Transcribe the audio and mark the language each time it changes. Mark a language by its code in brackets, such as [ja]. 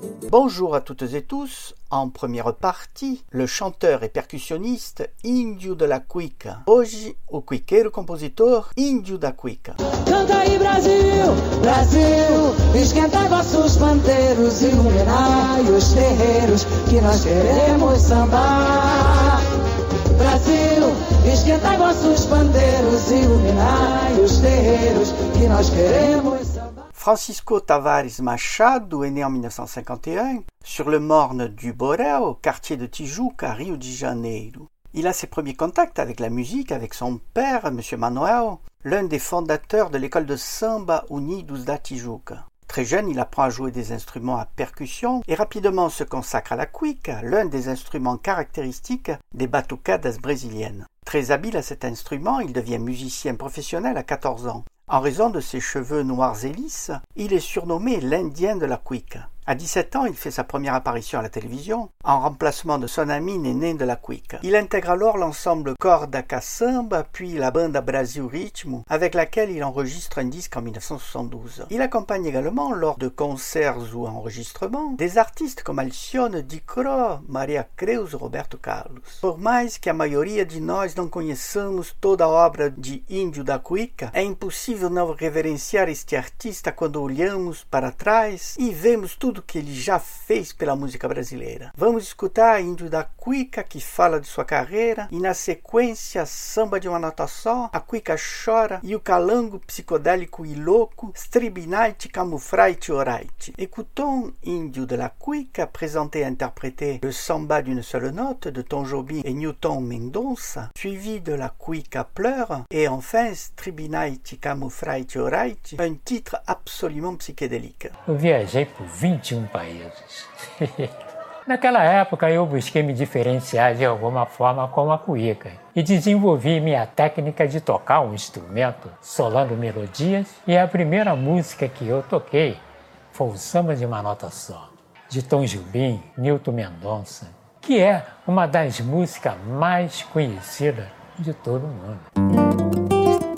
[fr] Bonjour à toutes et tous. En première partie, le chanteur et percussionniste Índio de la Cuica. [pt] Hoje, o cuiqueiro compositor Índio da Cuica. Canta aí Brasil, Brasil, esquentai vossos panteiros, iluminai os terreiros que nós queremos sambar. Brasil, esquentai vossos panteiros, iluminai os terreiros que nós queremos. [fr] Francisco Tavares Machado est né en 1951 sur le morne du Borel, quartier de Tijuca, Rio de Janeiro. Il a ses premiers contacts avec la musique avec son père, M. Manuel, l'un des fondateurs de l'école de samba Unidos da Tijuca. Très jeune, il apprend à jouer des instruments à percussion et rapidement se consacre à la cuica, l'un des instruments caractéristiques des batucadas brésiliennes. Très habile à cet instrument, il devient musicien professionnel à 14 ans. En raison de ses cheveux noirs et lisses, il est surnommé l'Indien de la Cuica. À 17 ans, il fait sa première apparition à la télévision, en remplacement de son ami Néné de la Cuica. Il intègre alors l'ensemble Corda Caçamba, puis la Banda Brasil Ritmo, avec laquelle il enregistre un disque en 1972. Il accompagne également, lors de concerts ou enregistrements, des artistes comme Alcione Di Cro, Maria Creus ou Roberto Carlos. [pt] Por mais que a maioria de nós não conheçamos toda a obra de Índio da Cuica, é impossível não reverenciar este artista quando olhamos para trás e vemos tudo que ele já fez pela música brasileira. Vamos escutar Índio da Cuica, que fala de sua carreira, e na sequência, Samba de uma Nota Só, A Cuica Chora e O Calango Psicodélico e Louco, Stribinaite, Camufraite, Oraite. [fr] Écoutons Índio de la Cuica, présenté et interprété Le Samba d'une seule note de Tom Jobim et Newton Mendonça, suivi de La Cuica Pleure, et enfin Stribinaite, Camufraite, Oraite, un titre absolument psychédélique. [pt] Viajei pour 21 países. Naquela época, eu busquei me diferenciar de alguma forma com a cuíca e desenvolvi minha técnica de tocar um instrumento, solando melodias, e a primeira música que eu toquei foi o Samba de uma Nota Só, de Tom Jobim, Newton Mendonça, que é uma das músicas mais conhecidas de todo mundo.